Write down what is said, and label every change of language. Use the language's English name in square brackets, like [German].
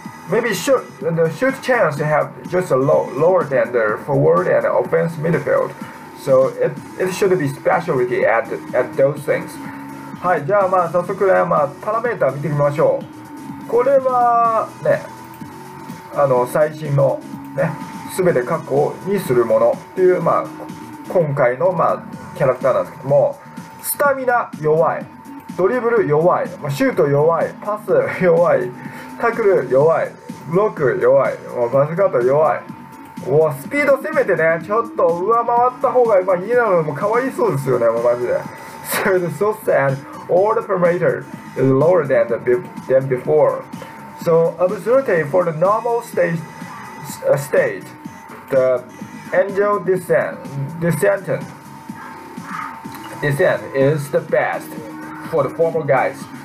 [English] Maybe the shoot chance to have just a lower than the forward and offense midfield. So it should be specialty at those things. [Japanese] はい、じゃあまあ早速ね、まあパラメータ見てみましょう。これはね、最新のね、すべて確保にするものっていう、まあ今回のまあキャラクターなんですけども。スタミナ弱い、ドリブル弱い、シュート弱い、パス弱い、タックル弱い、ブロック弱い、バスカット弱い、スピード攻めてね、ちょっと上回った方がまあいいなのもかわいそうですよね、マジで。 [English] So it's so sad, all the parameter is lower than before. So, ability for the normal state, the angel descent is the best for the former guys.